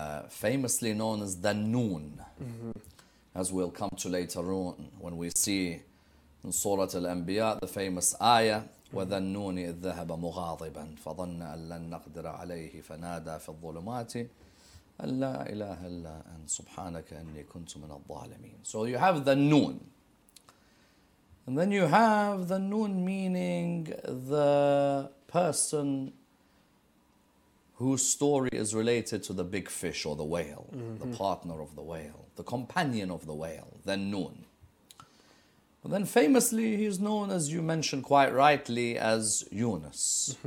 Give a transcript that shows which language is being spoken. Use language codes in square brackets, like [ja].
[en] Famously known as the Noon. Mm-hmm. As we'll come to later on, when we see in Surah Al-Anbiya, the famous ayah, [ar] وَذَنُّونِ إِذْ ذَهَبَ مُغَاضِبًا فَظَنَّ أَنْ لَنْ نَقْدِرَ عَلَيْهِ فَنَادَى فِي الظُّلُمَاتِ أَنْ لَا إِلَهَ إِلَّا أَنْ سُبْحَانَكَ أَنِّي كُنْتُ مِنَ الظَّالِمِينَ. [en] So you have the Noon. And then you have the Noon meaning the person whose story is related to the big fish or the whale, mm-hmm. the partner of the whale, the companion of the whale, the Noon. And then famously, he's known, as you mentioned quite rightly, as Yunus.